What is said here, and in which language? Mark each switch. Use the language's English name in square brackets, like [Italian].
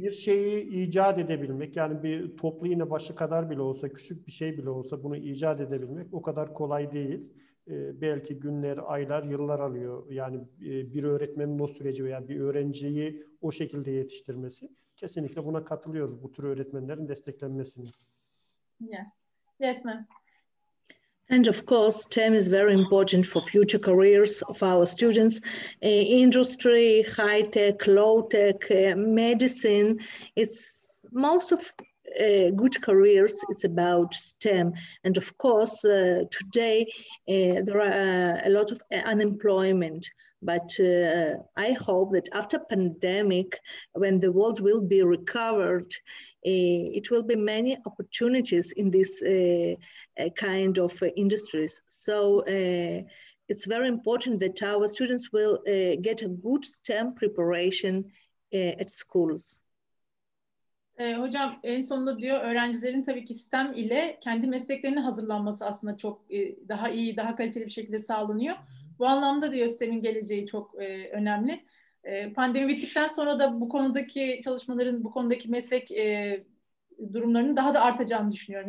[Turkish] Bir şeyi icat edebilmek, yani bir toplu iğne başı kadar bile olsa, küçük bir şey bile olsa bunu icat edebilmek o kadar kolay değil. Belki günler, aylar, yıllar alıyor. Yani bir öğretmenin o süreci veya bir öğrenciyi o şekilde yetiştirmesi. Kesinlikle buna katılıyoruz, bu tür öğretmenlerin desteklenmesini. [English] Yes, ma'am. And of course, STEM is very important for future careers of our students. Industry, high tech, low tech, medicine, it's most of good careers, it's about STEM. And of course, today there are a lot of unemployment. But I hope that after pandemic, when the world will be recovered, it will be many opportunities in this kind of industries. So it's very important that our students will get a good STEM preparation at schools. [Turkish] Hocam en sonunda diyor öğrencilerin tabii ki STEM ile kendi mesleklerini hazırlanması aslında çok daha iyi, daha kaliteli bir şekilde sağlanıyor. Bu anlamda diyor STEM'in geleceği çok önemli. Pandemi bittikten sonra da bu konudaki çalışmaların, bu konudaki meslek durumlarının daha da artacağını düşünüyorum.